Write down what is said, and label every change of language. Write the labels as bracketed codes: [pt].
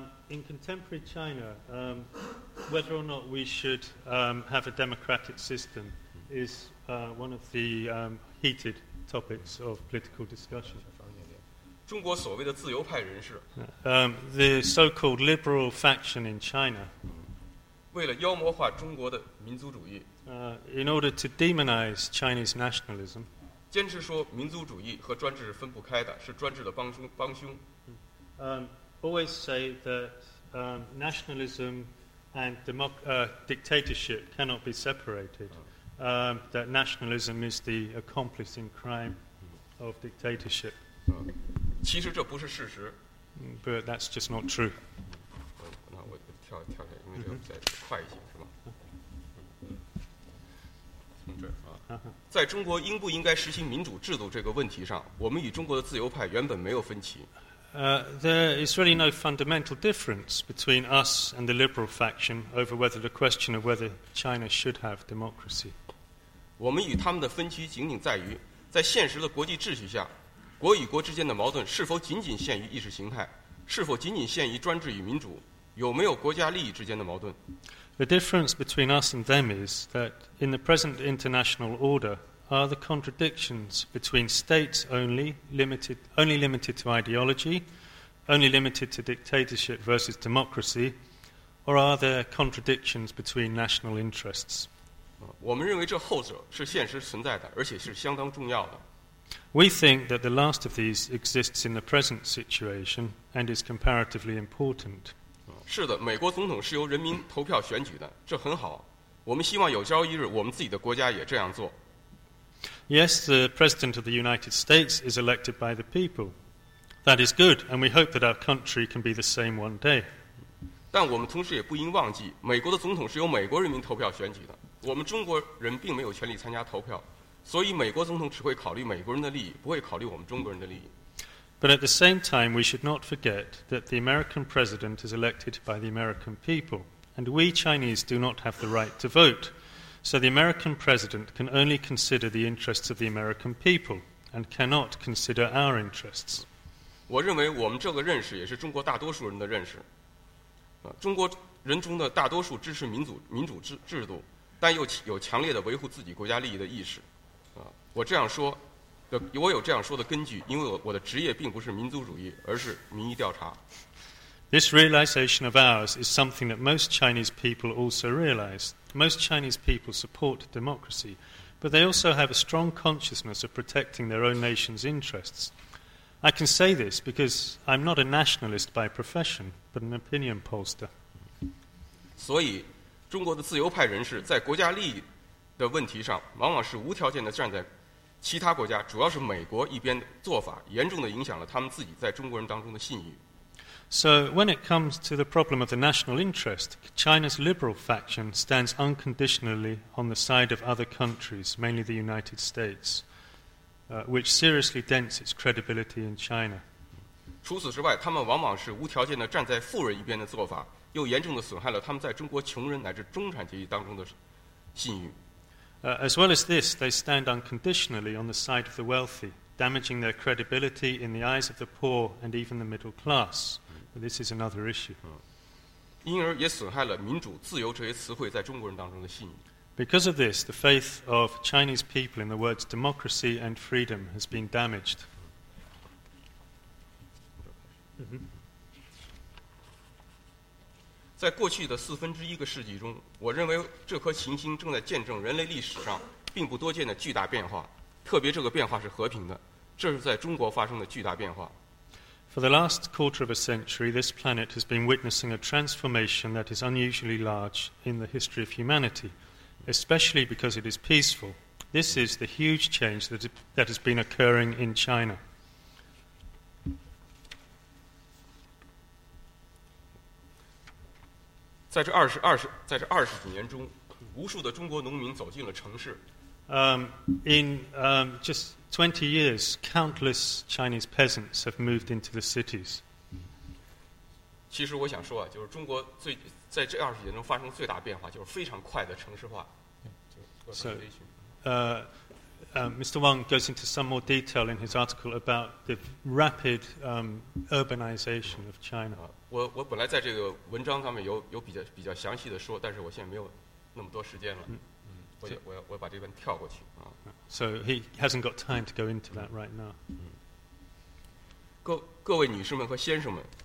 [en] In contemporary China, whether or not we should have a democratic system is one of the heated topics of political discussion. [zh] 中国所谓的自由派人士 [en] The so-called liberal faction in China [zh] 为了妖魔化中国的民族主义。 [en] In order to demonize Chinese nationalism. [zh] 坚持说民族主义和专制是分不开的，是专制的帮凶。 [en] Always say that nationalism and dictatorship cannot be separated. That nationalism is the accomplice in crime of dictatorship. [zh] 其实这不是事实。 [en] But that's just not true. [zh] 那我跳下，因为这个再快一些，是吧？从这儿啊，在中国应不应该实行民主制度这个问题上，我们与中国的自由派原本没有分歧。 [en] There is really no fundamental difference between us and the liberal faction over whether the question of whether China should have democracy. [zh] 我们与他们的分歧仅仅在于，在现实的国际秩序下，国与国之间的矛盾是否仅仅限于意识形态，是否仅仅限于专制与民主，有没有国家利益之间的矛盾。 [en] The difference between us and them is that in the present international order,are the contradictions between states only limited to ideology, only limited to dictatorship versus democracy, or are there contradictions between national interests? [zh] 我们认为这后者是现实存在的，而且是相当重要的。 [en] We think that the last of these exists in the present situation and is comparatively important. [zh] 是的，美国总统是由人民投票选举的，这很好。我们希望有朝一日我们自己的国家也这样做。 [en] Yes, the President of the United States is elected by the people. That is good, and we hope that our country can be the same one day. [zh] 但我们同时也不应忘记，美国的总统是由美国人民投票选举的。我们中国人并没有权利参加投票，所以美国总统只会考虑美国人的利益，不会考虑我们中国人的利益。 [en] But at the same time, we should not forget that the American President is elected by the American people, and we Chinese do not have the right to vote. So the American president can only consider the interests of the American people and cannot consider our interests. [zh] 我认为我们这个认识也是中国大多数人的认识。中国人中的大多数支持民主制度，但又有强烈的维护自己国家利益的意识。我有这样说的根据，因为我的职业并不是民族主义，而是民意调查。 [en] This realization of ours is something that most Chinese people also realize. Most Chinese people support democracy, but they also have a strong consciousness of protecting their own nation's interests. I can say this because I'm not a nationalist by profession, but an opinion pollster. [zh] 所以，中国的自由派人士在国家利益的问题上，往往是无条件地站在其他国家，主要是美国一边的做法，严重地影响了他们自己在中国人当中的信誉。 [en] So when it comes to the problem of the national interest, China's liberal faction stands unconditionally on the side of other countries, mainly the United States, which seriously dents its credibility in China. [zh] 除此之外，他们往往是无条件地站在富人一边的做法，又严重地损害了他们在中国穷人乃至中产阶级当中的信誉。 [en] As well as this, they stand unconditionally on the side of the wealthy, damaging their credibility in the eyes of the poor and even the middle class. This is another issue. [zh] 因而也损害了民主、自由这些词汇在中国人当中的信誉。 [en] Because of this, the faith of Chinese people in the words democracy and freedom has been damaged. [zh] 在过去的四分之一个世纪中，我认为这颗行星正在见证人类历史上并不多见的巨大变化，特别这个变化是和平的，这是在中国发生的巨大变化。 [en] For the last quarter of a century, this planet has been witnessing a transformation that is unusually large in the history of humanity, especially because it is peaceful. This is the huge change that has been occurring in China. [zh] 在这二十几年中，无数的中国农民走进了城市。 [en] Just 20 years, countless Chinese peasants have moved into the cities. [zh] 其实我想说啊，就是中国最在这二十年中发生最大变化，就是非常快的城市化。 [en] Mr. Wang goes into some more detail in his article about the rapid urbanization of China. [zh] 我本来在这个文章上面有比较详细的说，但是我现在没有那么多时间了。我把这边跳过去啊。 [en] So he hasn't got time to go into that right now. [zh] 各位女士们和先生们，